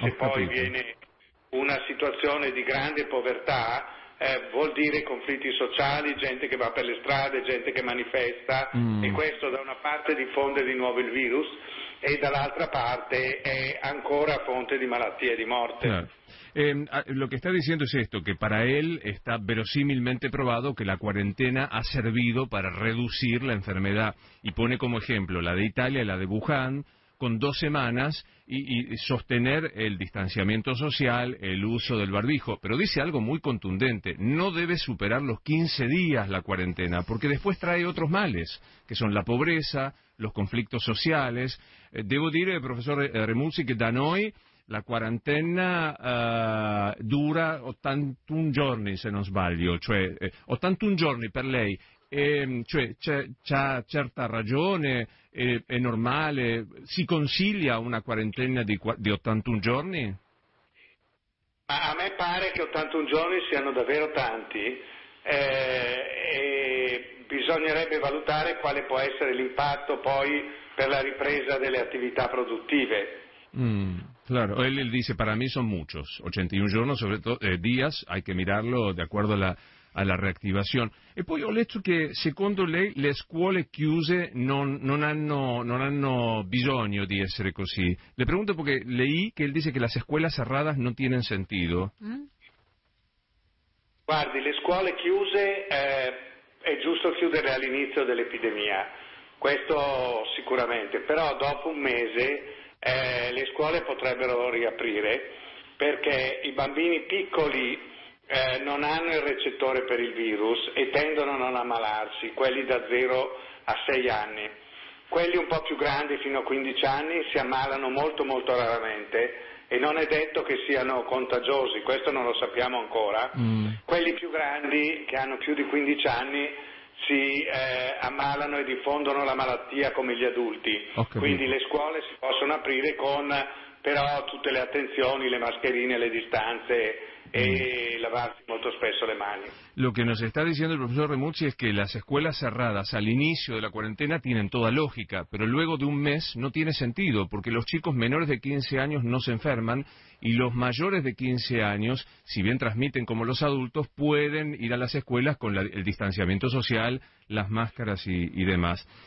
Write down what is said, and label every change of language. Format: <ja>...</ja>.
<it>Se poi viene una situazione di grande povertà, vuol dire conflitti sociali, gente che va per le strade, gente che manifesta, e questo da una parte diffonde di nuovo il virus e dall'altra parte è ancora fonte di malattie e di morte.</it> <es>Lo que está diciendo es esto, que para él está verosímilmente probado que la cuarentena ha servido para reducir la enfermedad, y pone como ejemplo la de Italia y la de Wuhan con 2 semanas y sostener el distanciamiento social, el uso del barbijo. Pero dice algo muy contundente, no debe superar los 15 días la cuarentena, porque después trae otros males, que son la pobreza, los conflictos sociales. Debo</es> <it>dire, profesor Remuzzi,</it> <es>que</es> <it>da noi la cuarentena dura 81 giorni, se non sbaglio, cioè 81 giorni per lei. Cioè c'ha certa ragione, è normale, si consiglia una quarantena di 81 giorni? Ma a me pare che 81 giorni siano davvero tanti, e bisognerebbe valutare quale può essere l'impatto poi per la ripresa delle attività produttive.</it> <es>Claro, él dice, para mí son muchos, 81</es> <it>giorni, soprattutto</it> <es>días, hay que mirarlo de acuerdo a la reactivación.</es> <it>E poi ho letto che, secondo lei, le scuole chiuse non hanno bisogno di essere così.</it> <es>Le pregunto perché leí</es> <it>che él dice che</it> <es>las escuelas cerradas no tienen sentido.</es> <it>Guardi, le scuole chiuse è giusto chiudere all'inizio dell'epidemia, questo sicuramente, però dopo un mese le scuole potrebbero riaprire, perché i bambini piccoli non hanno il recettore per il virus e tendono a non ammalarsi, quelli da 0 a 6 anni. Quelli un po' più grandi, fino a 15 anni, si ammalano molto molto raramente e non è detto che siano contagiosi, questo non lo sappiamo ancora. Quelli più grandi, che hanno più di 15 anni, si ammalano e diffondono la malattia come gli adulti. Quindi le scuole si possono aprire con però tutte le attenzioni, le mascherine, le distanze e lavarsi molto spesso le mani.</it> <es>Lo che nos está diciendo</es> <it>il professor</it> <es>Remuzzi es que las escuelas cerradas al inicio de la cuarentena tienen toda lógica, pero luego de un mes no tiene sentido, porque los chicos menores de 15 años no se enferman y los mayores de 15 años, si bien transmiten como los adultos, pueden ir a las escuelas con el distanciamiento social, las máscaras y demás.</es>